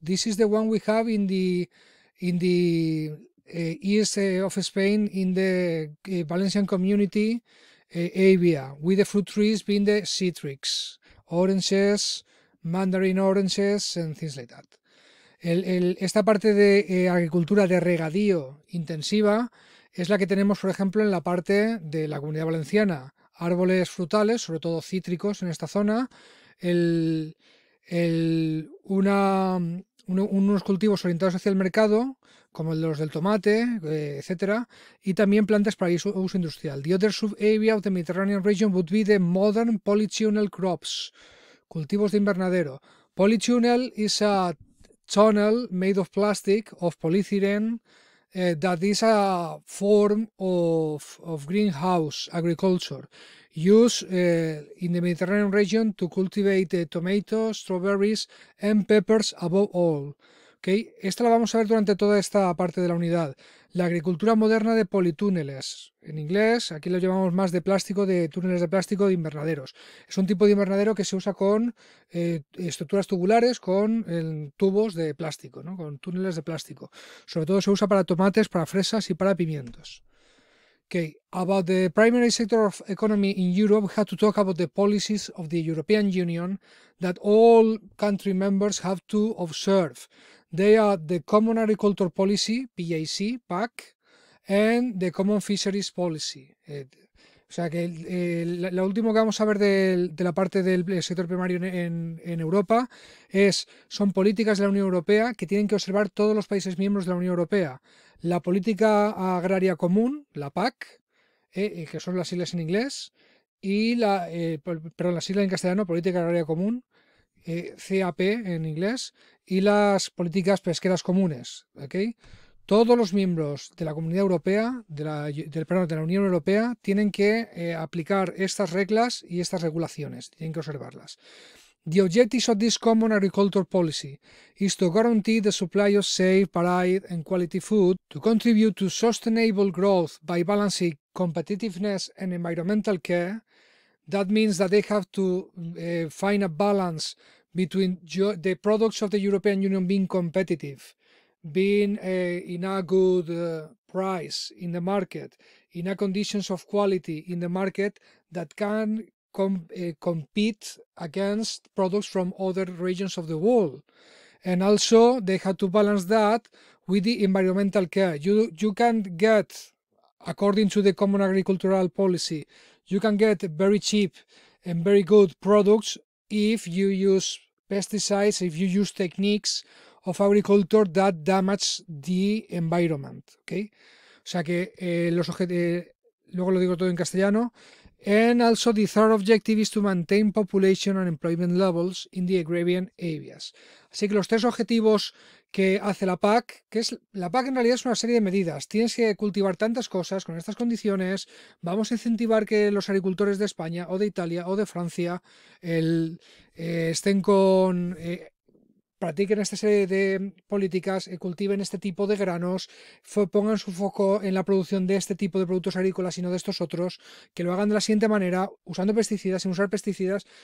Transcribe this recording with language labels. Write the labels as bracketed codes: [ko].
[en] This is the one we have in the east of Spain, in the Valencian community area, with the fruit trees being the citrix, oranges, mandarin oranges and things like that. [es] Esta parte de agricultura de regadío intensiva es la que tenemos, por ejemplo, en la parte de la Comunidad Valenciana. Árboles frutales, sobre todo cítricos en esta zona, unos cultivos orientados hacia el mercado, como los del tomate, etcétera, y también plantas para uso industrial. [en] The other sub-area of the Mediterranean region would be the modern polytunnel crops, [es] cultivos de invernadero. [en] Polytunnel is a tunnel made of plastic, of polyethylene, that is a form of greenhouse agriculture used in the Mediterranean region to cultivate tomatoes, strawberries and peppers above all. Okay? [es] Esta la vamos a ver durante toda esta parte de la unidad. La agricultura moderna de politúneles, en inglés, aquí lo llamamos más de plástico, de túneles de plástico, de invernaderos. Es un tipo de invernadero que se usa con estructuras tubulares, con tubos de plástico, ¿no? Con túneles de plástico. Sobre todo se usa para tomates, para fresas y para pimientos. [en] Okay. About the primary sector of economy in Europe, we have to talk about the policies of the European Union that all country members have to observe. They are the Common Agriculture Policy, PAC, PAC, and the Common Fisheries Policy. [es] O sea que lo último que vamos a ver de la parte del sector primario en Europa son políticas de la Unión Europea que tienen que observar todos los países miembros de la Unión Europea. La Política Agraria Común, la PAC, que son las siglas en inglés, y la sigla en castellano, Política Agraria Común, CAP en inglés, y las políticas pesqueras comunes. ¿Okay? Todos los miembros de la Comunidad Europea, de la Unión Europea, tienen que aplicar estas reglas y estas regulaciones, tienen que observarlas. [en] The objectives of this Common Agriculture Policy is to guarantee the supply of safe, varied and quality food, to contribute to sustainable growth by balancing competitiveness and environmental care. That means that they have to find a balance between the products of the European Union being competitive, being in a good price in the market, in a conditions of quality in the market that can compete against products from other regions of the world. And also they have to balance that with the environmental care. You can get, according to the Common Agricultural Policy, you can get very cheap and very good products if you use pesticides, if you use techniques of agriculture that damage the environment. Okay? [es] O sea que los luego lo digo todo en castellano. [en] And also the third objective is to maintain population and employment levels in the agrarian areas. [es] Así que los tres objetivos que hace la PAC, que es la PAC en realidad es una serie de medidas. Tienes que cultivar tantas cosas con estas condiciones. Vamos a incentivar que los agricultores de España o de Italia o de Francia estén con practiquen esta serie de políticas, cultiven este tipo de granos, pongan su foco en la producción de este tipo de productos agrícolas y no de estos otros, que lo hagan de la siguiente manera, usando pesticidas, sin usar pesticidas.